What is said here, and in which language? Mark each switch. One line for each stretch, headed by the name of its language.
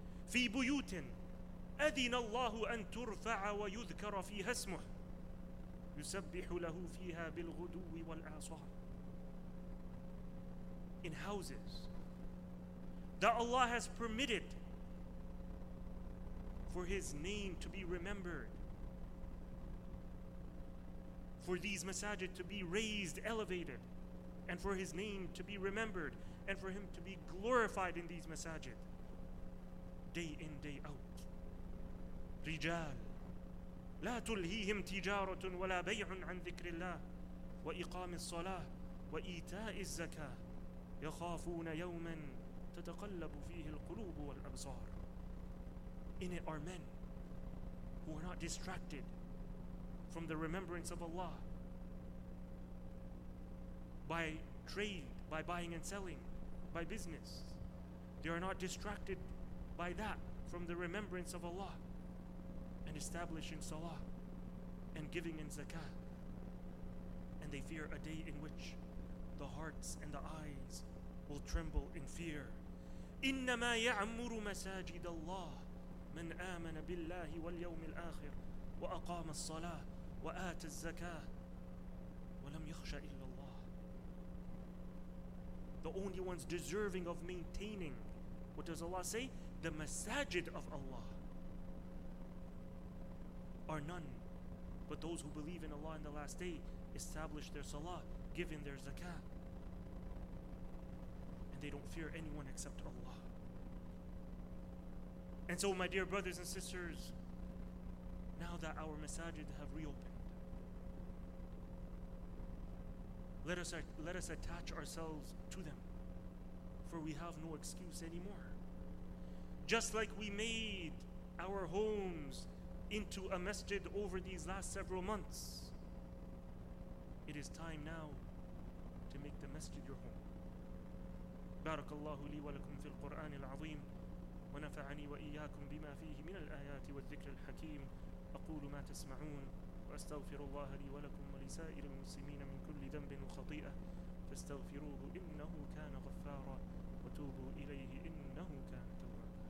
Arabic: فِي بُيُوتٍ أَذِنَ اللَّهُ أَن تُرْفَعَ وَيُذْكَرَ فِيهَا اسْمُهُ يُسَبِّحُ لَهُ فِيهَا بِالْغُدُوِّ وَالْآصَالِ,
English: in houses that Allah has permitted for His name to be remembered, for these masajid to be raised, elevated, and for His name to be remembered, and for Him to be glorified in these masajid, day in, day out.
Arabic: رجال لا تلهيهم تجارة ولا بيع عن ذكر الله وإقام الصلاة وإيتاء الزكاة يخافون يوما تتقلب فيه القلوب والأبصار.
English: In it are men who are not distracted from the remembrance of Allah by trade, by buying and selling, by business. They are not distracted by that, from the remembrance of Allah and establishing salah and giving in zakah. And they fear a day in which the hearts and the eyes will tremble in fear.
Arabic: إِنَّمَا يَعْمُرُ مَسَاجِدَ اللَّهِ من آمن بالله واليوم الآخر وأقام الصلاة وآت الزكاة ولم يخش إلا الله.
English: The only ones deserving of maintaining, what does Allah say? The masajid of Allah are none but those who believe in Allah in the last day, establish their salah, give in their zakah, and they don't fear anyone except Allah. And so, my dear brothers and sisters, now that our masajid have reopened, let us attach ourselves to them, for we have no excuse anymore. Just like we made our homes into a masjid over these last several months, it is time now to make the masjid your home.
Arabic: Barakallahu li wa lakum fil Qur'an al-azim. ونفعني وإياكم بما فيه من الآيات والذكر الحكيم. أقول ما تسمعون وأستغفر الله لي ولكم ولسائر المسلمين من كل ذنب وخطيئة فاستغفروه إنه كان غفارا وتوبوا إليه إنه كان توابا.